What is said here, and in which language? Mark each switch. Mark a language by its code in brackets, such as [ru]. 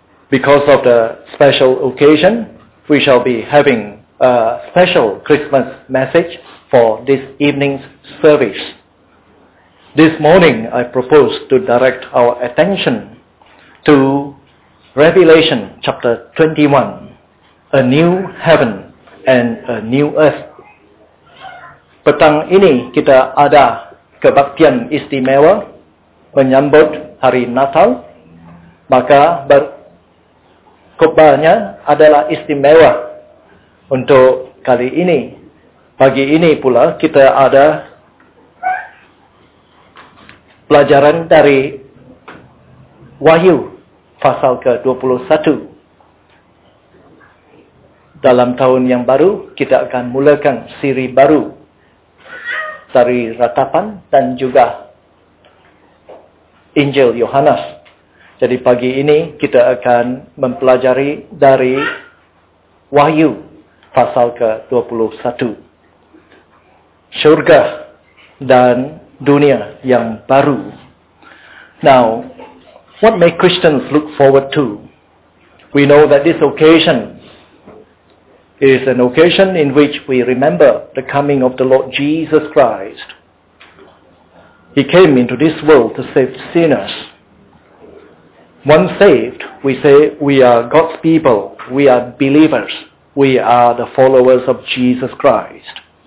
[en] Because of the special occasion, we shall be having a special Christmas message for this evening's service. This morning, I propose to direct our attention to Revelation chapter 21, a new heaven and a new earth. [ms] Petang ini kita ada kebaktian istimewa menyambut hari Natal, maka khotbahnya adalah istimewa untuk kali ini. Pagi ini pula kita ada pelajaran dari Wahyu pasal ke-21. Dalam tahun yang baru, kita akan mulakan siri baru dari Ratapan dan juga Injil Yohanes. Jadi pagi ini kita akan mempelajari dari Wahyu pasal ke-21. Surga dan dunia yang baru. [en] Now, what may Christians look forward to? We know that this occasion is an occasion in which we remember the coming of the Lord Jesus Christ. He came into this world to save sinners. Once saved, we say we are God's people, we are believers, we are the followers of Jesus Christ.